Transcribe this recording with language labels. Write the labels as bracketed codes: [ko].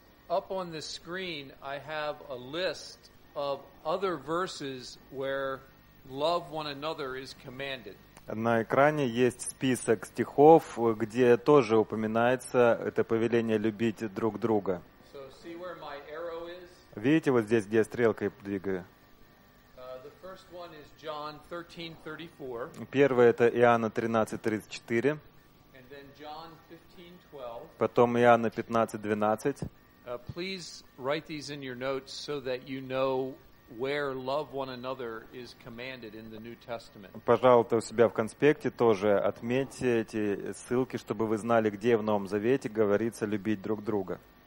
[en] Up on the screen I have a list of other verses where love one another is commanded. [ru] На экране есть список стихов, где тоже упоминается это повеление любить друг друга. [en] So see where my arrow is? [ru] Видите вот здесь, где я стрелкой двигаю? [en] The first one is John 13:34. [ru] Первое это Иоанна 13:34. [en] And then John 15:12. [ru] Потом Иоанна 15:12. [en] Please write these in your notes so that you know where love one another is commanded in the New Testament. [ru] Пожалуйста, у себя в конспекте тоже отметьте эти ссылки, чтобы вы знали, где в Новом Завете говорится любить друг друга.